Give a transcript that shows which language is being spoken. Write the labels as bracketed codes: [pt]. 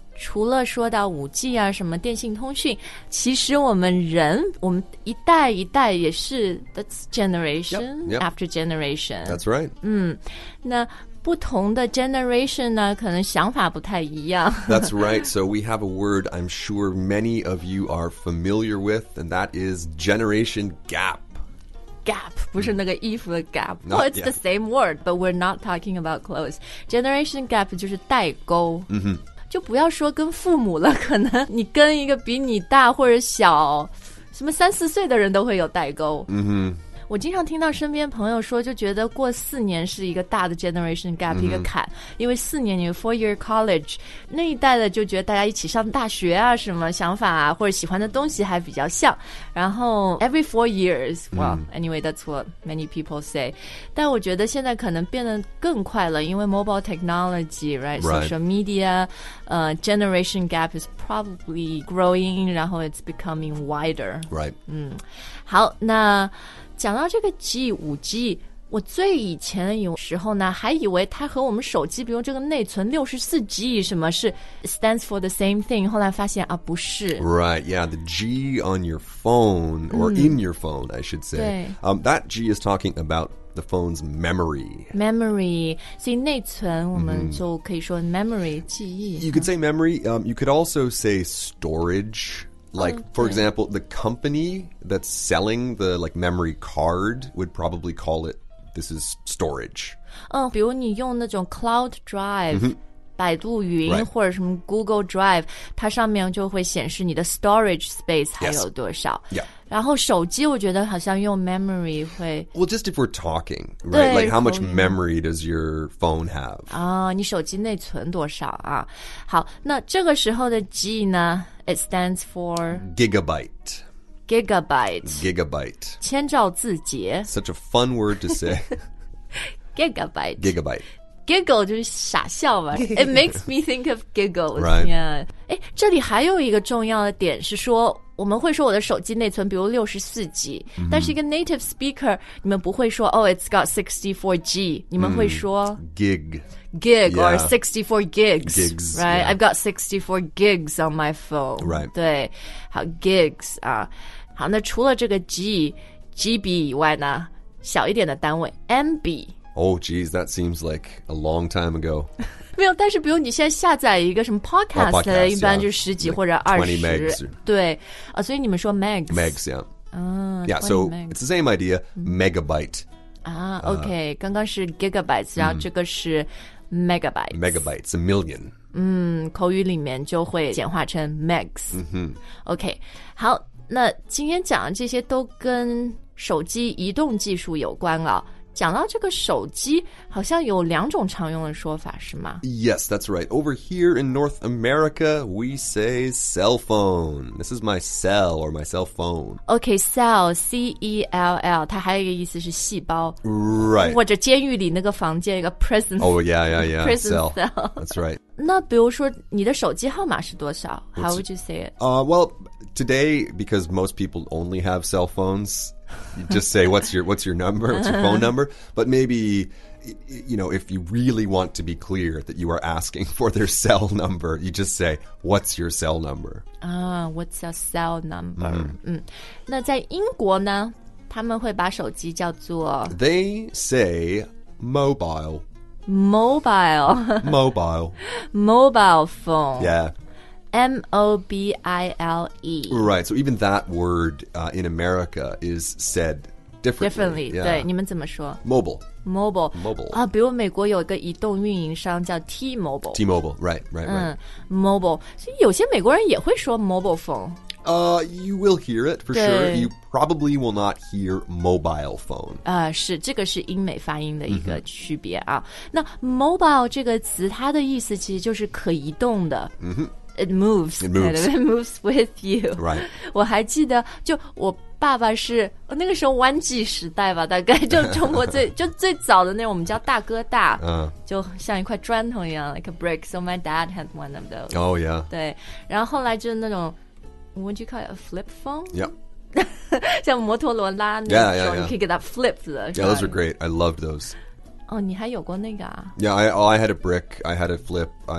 [zh] 除了说到 5G 啊什么电信通讯其实我们人我们一代一代也是 [en] That's generation yep, yep. after generation That's right、 [zh] 那不同的 generation 呢可能想法不太一样 [en] That's right, so we have a word I'm sure many of you are familiar with And that is generation gap Gap, [zh] 不是那个衣服的 [en] gap Well, it's the same word, but we're not talking about clothes Generation gap [zh] 就是代沟、 mm-hmm. 就不要说跟父母了可能你跟一个比你大或者小什么三四岁的人都会有代沟、 mm-hmm. 我经常听到身边朋友说就觉得过四年是一个大的 generation gap、mm-hmm. 一个坎因为四年你 [en] four year college [zh] 那一代的就觉得大家一起上大学啊什么想法啊或者喜欢的东西还比较像然后 [en] every four years well、 [zh] mm-hmm. [en] anyway that's what many people say [zh] 但我觉得现在可能变得更快了因为 [en] mobile technology right, right. social media、generation gap is probably growing 然后 it's becoming wider right、 [zh] 好那讲到这个 G, 5G, 我最以前有时候呢还以为它和我们手机比如这个内存 64G 什么是 [en] stands for the same thing, [zh] 后来发现啊不是。 [en] Right, yeah, the G on your phone, or in your phone, I should say. [zh] 对。 [en] That G is talking about the phone's memory. [zh] Memory, 所以内存我们就可以说 memory, 记忆。 [en] You could say memory, you could also say storage,Like, for example, the company that's selling the, like, memory card would probably call it, this is storage. [zh] 比如你用那种 cloud drive,、 mm-hmm. 百度云、 [en] right. [zh] 或者什么 Google drive, 它上面就会显示你的 storage space 还有多少。 [en] Yes. Yeah. [zh] 然后手机我觉得好像用 memory 会 [en] Well, just if we're talking, right? Like how much memory does your phone have? [zh] 啊、你手机内存多少啊？好，那这个时候的 G 呢 [en] It stands for Gigabyte Gigabyte Gigabyte [zh] 千兆字节 [en] Such a fun word to say Gigabyte Gigabyte Giggle [zh] 就是傻笑吧 [en] It makes me think of giggles、 right. yeah. [zh] 这里还有一个重要的点是说我们会说我的手机内存比如 64G、 mm-hmm. 但是一个 native speaker 你们不会说 [en] Oh, it's got 64G [zh] 你们会说、 [en] Gig Gig、 yeah. or 64 gigs, gigs Right,、 yeah. I've got 64 gigs on my phone Right [zh] 对好 gigs、好那除了这个 G GB 以外呢小一点的单位 MB [en] Oh geez, that seems like a long time ago [zh] 没有但是比如你现在下载一个什么 podcast, [en] podcast [zh] 一般就十几或者二十、 [en] like、20 megs [zh] 对、所以你们说 megs [en] Megs, yeah、 Yeah, so it's the same idea,、megabyte [zh] 啊 OK, 刚刚是 gigabytes、然后这个是 megabytes [en] Megabytes, a million [zh] 口语里面就会简化成 megs、OK, 好那今天讲的这些都跟手机移动技术有关了讲到这个手机好像有两种常用的说法是吗 [en] Yes, that's right. Over here in North America, we say cell phone. This is my cell or my cell phone. [zh] Okay, cell, C-E-L-L, 它还有一个意思是细胞。 [en] Right. [zh] 或者监狱里那个房间一个 prison [en] cell. Oh, yeah, yeah, yeah. Prison cell. That's right. 那比如说你的手机号码是多少 How would you say it? Well, today, because most people only have cell phones,You just say, what's your phone number? But maybe, you know, if you really want to be clear that you are asking for their cell number, you just say, what's your cell number? What's your cell number? Mm-hmm. [zh] 那在英国呢,他们会把手机叫做... [en] They say mobile. Mobile. Mobile. Mobile phone. Yeah. M-O-B-I-L-E. Right, so even that word, in America is said differently. Differently,、yeah. [zh] 对，你们怎么说 [en] Mobile. Mobile. Mobile. [zh] 啊，比如美国有一个移动运营商叫 T-Mobile. [en] T-Mobile, right, right, right.、 Mobile. [zh] 所以有些美国人也会说 mobile phone. [en] You will hear it, for sure. You probably will not hear mobile phone. [zh] 是，这个是英美发音的一个区别啊。那 mobile 这个词它的意思其实就是可移动的。 [en] It moves. It moves. It moves with you. Right. [zh] 我还记得，就我爸爸是那个时候 1G 时代吧，大概就中国最就最早的那种，我们叫大哥大，就像一块砖头一样 ， [en] like a brick. So my dad had one of those. Oh yeah. [zh] 对，然后后来就是那种 ， [en] would you call it a flip phone? Yep. [zh] 像摩托罗拉那种 [en] yeah, yeah, yeah. You can get that flipped. Yeah, those are great. I loved those. [zh] Oh, 你还有过那个啊? [en] Yeah, I had a brick. I had a flip.